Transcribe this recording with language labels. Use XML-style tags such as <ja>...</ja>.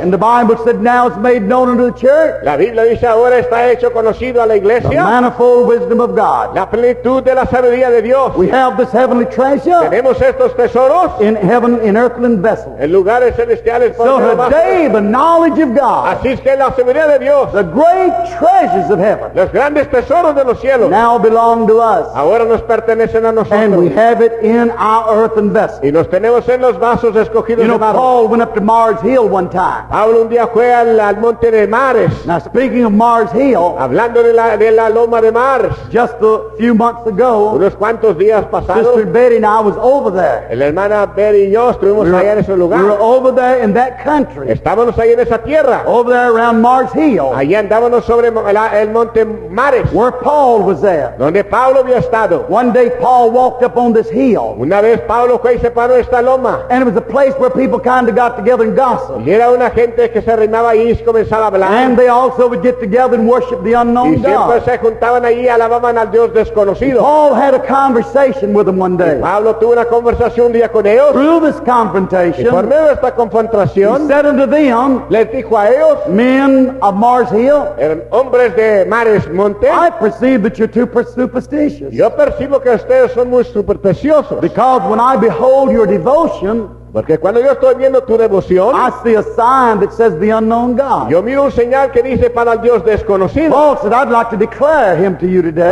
<en>And the Bible said now it's made known unto the church.</en> <es>La Biblia dice ahora está hecho conocido a la iglesia.</es> <en>The manifold wisdom of God.</en> <es>La plenitud de la sabiduría de Dios.</es> <en>We have this heavenly treasure.</en> <es>Tenemos estos tesoros.</es> <en>In heaven, in earthly vessels.</en> <es>En lugares celestiales.</es> <en>So today the knowledge of God.</en> <es>Así es que la sabiduría de Dios.</es> <en>The great treasures of heaven.</en> <es>Los grandes tesoros de los cielos.</es> <en>Now belong to us.</en> <es>Ahora nos pertenece.</es> <en>And we have it in our earthen vessel.</en> <es>Y nos tenemos en los vasos escogidos.</es> <en>You know, Paul went up to Mars Hill one time.</en> <es>Pablo un día fue al monte de Mares.</es> <en>Now speaking of Mars Hill,</en> <es>hablando de la loma de Mars,</es> <en>just a few months ago,</en> <es>unos cuantos días pasados,</es> <en>Sister Betty and I was over there.</en> <es>La hermana Betty y yo estuvimos allá en ese lugar.</es> <en>We were over there in that country.</en> <es>Estábamos ahí en esa tierra.</es> <en>Over there around Mars Hill.</en> <es>Allí andábamos sobre el monte Mares.</es> <en>Where Paul was there.</en> <es>Donde Pablo había estado.</es> <en>One day. Paul walked up on this hill.</en> <es>Una vez Pablo fue y se paró esta loma.</es> <en>And it was a place where people kind of got together and gossiped.</en> <es>Y era una gente que se reunaba ahí y comenzaba a hablar.</es> <en>And they also would get together and worship the unknown God.</en> <es>Y siempre se juntaban ahí y alababan al Dios desconocido.</es> <en>Paul had a conversation with them one day.</en> <es>Y Pablo tuvo una conversación un día con ellos.</es> <en>Through this confrontation,</en> <es>y por medio de esta confrontación,</es> <en>he said unto them,</en> <es>les dijo a ellos,</es> <en>men of Mars Hill,</en> <es>eran hombres de Mares Monte,</es> <en>I perceive that you're too superstitious.</en> <es>Yo percibo que ustedes son muy supersticiosos.</es> <en>Because when I behold your devotion,</en> <es>porque cuando yo estoy viendo tu devoción,</es> <en>I see a sign that says the unknown God.</en> <es>Yo miro un señal que dice para el Dios desconocido.</es> <en>Paul said, I'd like to declare him to you today.</en>